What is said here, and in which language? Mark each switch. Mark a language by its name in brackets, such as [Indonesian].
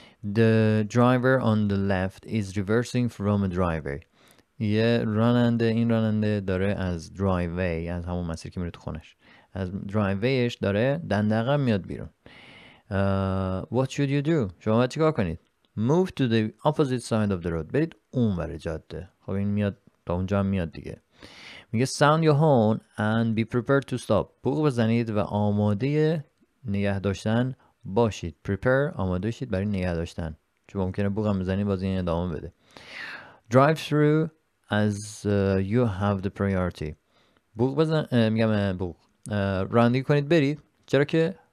[English] The driver on the left is reversing from a driver. [Persian] یه راننده، این راننده داره از درایوی، از همون مسیر که میره تو خونش، از درایویش داره دندقه میاد بیرون. [English] What should you do? [Persian] شما باید چیکار کنید؟ [English] Move to the opposite side of the road. [Persian] برید اون ور جاده. خب این میاد تا اونجا هم میاد دیگه. میگه [English] sound your horn and be prepared to stop. [Persian] بوق بزنید و آماده نگه داشتن باشید. Prepare، آماده شید برای نگه داشتن، چون ممکنه بوق هم بزنید باز این ادامه بده. [English] Drive through as you have the priority. [Persian] بوق بزن، میگم بوق، رانندگی کنید برید، چرا که